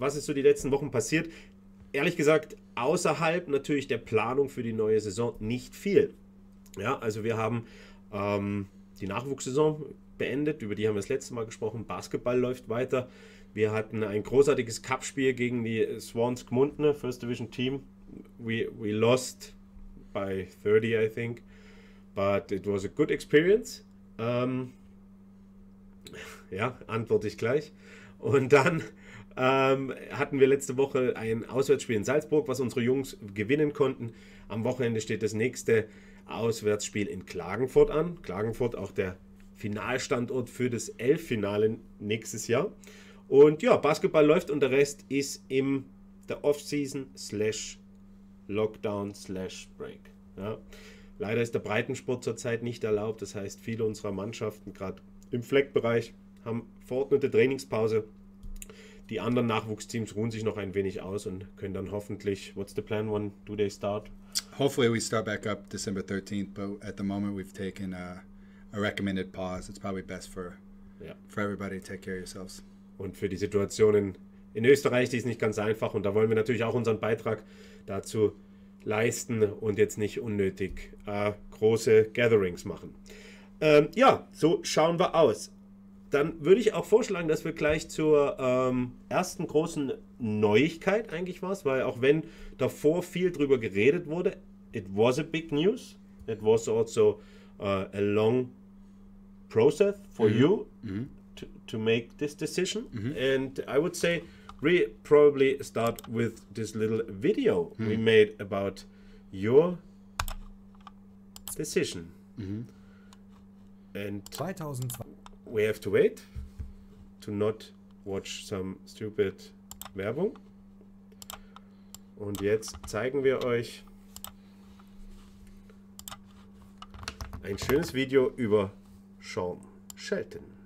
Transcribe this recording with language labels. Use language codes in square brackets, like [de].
[de] Was ist so die letzten Wochen passiert? Ehrlich gesagt, außerhalb natürlich der Planung für die neue Saison nicht viel. Ja, also wir haben die Nachwuchssaison beendet, über die haben wir das letzte Mal gesprochen. Basketball läuft weiter. Wir hatten ein großartiges Cup-Spiel gegen die Swans Gmundne, First Division Team. [en] We lost by 30, I think, but it was a good experience. [de] Antworte ich gleich. Und dann hatten wir letzte Woche ein Auswärtsspiel in Salzburg, was unsere Jungs gewinnen konnten. Am Wochenende steht das nächste Auswärtsspiel in Klagenfurt an. Klagenfurt auch der Finalstandort für das Elf-Finale nächstes Jahr. Und ja, Basketball läuft und der Rest ist in der Offseason / Lockdown / Break. Ja. Leider ist der Breitensport zurzeit nicht erlaubt. Das heißt, viele unserer Mannschaften, gerade im Fleckbereich, haben verordnete Trainingspause. Die anderen Nachwuchsteams ruhen sich noch ein wenig aus und können dann hoffentlich... [en] What's the plan? When do they start? Hopefully we start back up December 13th, but at the moment we've taken a recommended pause. It's probably best for everybody to take care of yourselves. [de] Und für die Situation in Österreich, die ist nicht ganz einfach. Und da wollen wir natürlich auch unseren Beitrag dazu leisten und jetzt nicht unnötig große Gatherings machen. So schauen wir aus. Dann würde ich auch vorschlagen, dass wir gleich zur ersten großen Neuigkeit eigentlich war es, weil auch wenn davor viel drüber geredet wurde, [en] it was a big news. It was also a long process for you to make this decision. Mm-hmm. And I would say we probably start with this little video we made about your decision. And 2020. We have to wait to not watch some stupid Werbung. [de] Und jetzt zeigen wir euch ein schönes Video über Sean Shelton.